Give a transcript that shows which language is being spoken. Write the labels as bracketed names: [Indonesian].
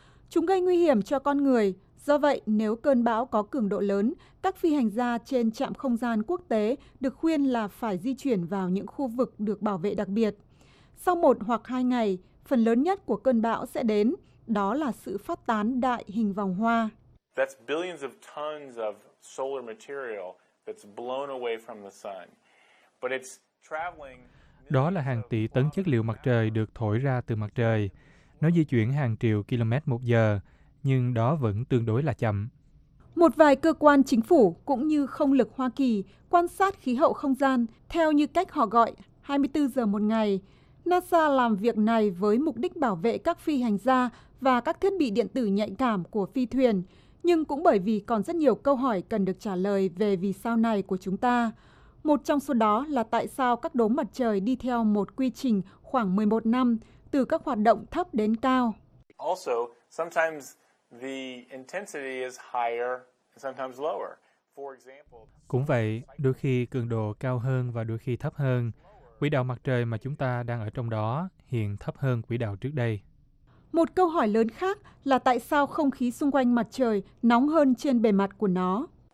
[Vietnamese] Chúng gây nguy hiểm cho con người. Do vậy, nếu cơn bão có cường độ lớn, các phi hành gia trên trạm không gian quốc tế được khuyên là phải di chuyển vào những khu vực được bảo vệ đặc biệt. Sau 1 hoặc 2 ngày, phần lớn nhất của cơn bão sẽ đến, đó là sự phát tán đại hình vòng hoa. [English] That's billions of tons of solar material that's blown away from the sun. But it's traveling. [Vietnamese] Đó là hàng tỷ tấn chất liệu mặt trời được thổi ra từ mặt trời. Nó di chuyển hàng triệu km một giờ, nhưng đó vẫn tương đối là chậm. Một vài cơ quan chính phủ cũng như không lực Hoa Kỳ quan sát khí hậu không gian theo như cách họ gọi 24 giờ một ngày. NASA làm việc này với mục đích bảo vệ các phi hành gia và các thiết bị điện tử nhạy cảm của phi thuyền, nhưng cũng bởi vì còn rất nhiều câu hỏi cần được trả lời về vì sao này của chúng ta. Một trong số đó là tại sao các đốm mặt trời đi theo một quy trình khoảng 11 năm, từ các hoạt động thấp đến cao. [English] Also, sometimes the intensity is higher, sometimes lower. For example, [Vietnamese] cũng vậy, đôi khi cường độ cao hơn và đôi khi thấp hơn. Quỹ đạo mặt trời mà chúng ta đang ở trong đó hiện thấp hơn quỹ đạo trước đây. Một câu hỏi lớn khác là tại sao không khí xung quanh mặt trời nóng hơn trên bề mặt của nó?